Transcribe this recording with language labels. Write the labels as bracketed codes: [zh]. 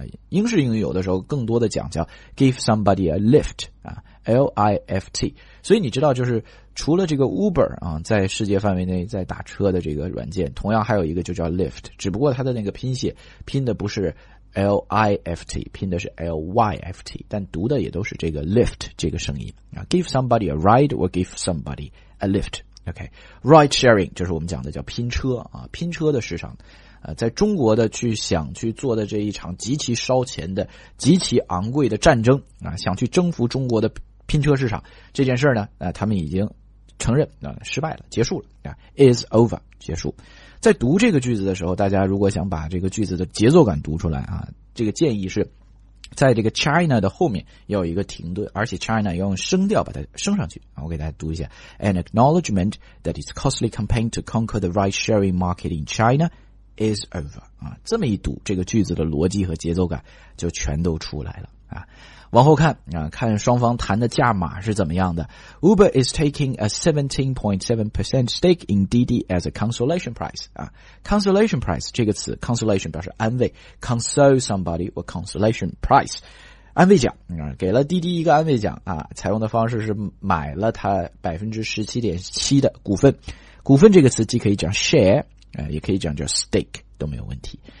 [zh] 英式英语有的时候更多的讲叫 give somebody a lift, L-I-F-T。所以你知道就是除了这个 Uber 啊，在世界范围内在打车的这个软件，同样还有一个就叫 Lyft, 只不过它的那个拼写拼的不是 L-I-F-T, 拼的是 L-Y-F-T, 但读的也都是这个 Lyft 这个声音啊。 [en] Give somebody a ride or give somebody a lift, [zh] OK, ride sharing 就是我们讲的叫拼车啊，拼车的市场。在中国的去想去做的这一场极其烧钱的极其昂贵的战争啊，想去征服中国的拼车市场这件事呢，他们已经承认失败了，结束了 is over, 结束。在读这个句子的时候，大家如果想把这个句子的节奏感读出来啊，这个建议是在这个 China 的后面要有一个停顿，而且 China 要用声调把它升上去。我给大家读一下 [en] An acknowledgement that its costly campaign to conquer the ride sharing market in China is over、 [zh] 啊、这么一读，这个句子的逻辑和节奏感就全都出来了啊，往后看啊，看双方谈的价码是怎么样的。 [en] Uber is taking a 17.7% stake in DD as a consolation prize. [zh] 啊 ，consolation prize 这个词 ，consolation 表示安慰 ， [en] console somebody or consolation prize， [zh] 安慰奖啊，给了 DD 一个安慰奖啊。采用的方式是买了它 17.7% 的股份。股份这个词既可以讲 share， 也可以讲叫 stake， 都没有问题。